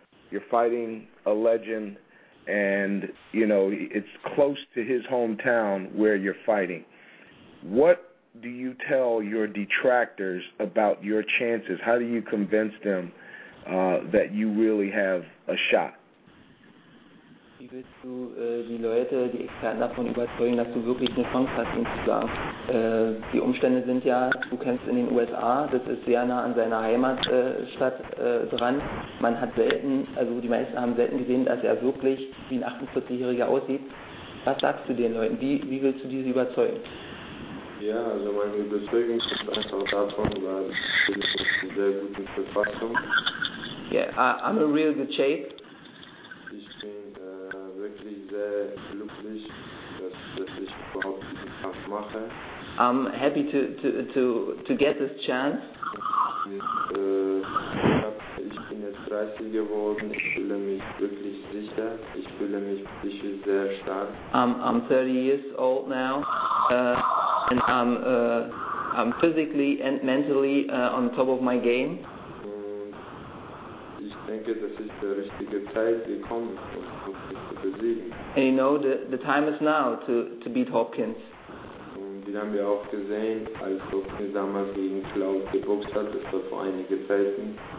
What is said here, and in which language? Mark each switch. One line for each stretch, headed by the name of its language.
English: You're fighting a legend, and, you know, it's close to his hometown where you're fighting. What do you tell your detractors about your chances? How do you convince them that you really have a shot?
German: Wie würdest du die Leute, die Experten davon überzeugen, dass du wirklich eine Chance hast, ihn zu sagen? Die Umstände sind ja, du kennst in den USA, das ist sehr nah an seiner Heimatstadt dran. Man hat selten, also die meisten haben selten gesehen, dass er wirklich wie ein 48-Jähriger aussieht. Was sagst du den Leuten? Wie willst du diese überzeugen? Ja, also meine Überzeugung ist einfach davon, weil ich bin in sehr guten Verfassung.
English: Yeah, I'm in real good shape.
German: Ich bin wirklich sehr glücklich, dass ich überhaupt diesen Kampf mache.
English: I'm happy to get this chance.
German: Ich bin jetzt 30 geworden, ich fühle mich wirklich sicher, ich fühle mich sicher sehr stark.
English: I'm 30 years old now. And I'm physically and mentally on top of my game.
German: Ich denke, das ist der richtige Zeit gekommen, um dich zu besiegen.
English: And you know, the time is now to beat Hopkins.
German: Den haben wir auch gesehen, als Hopkins damals gegen Cloud geboxt hat, das war vor einigen Zeiten.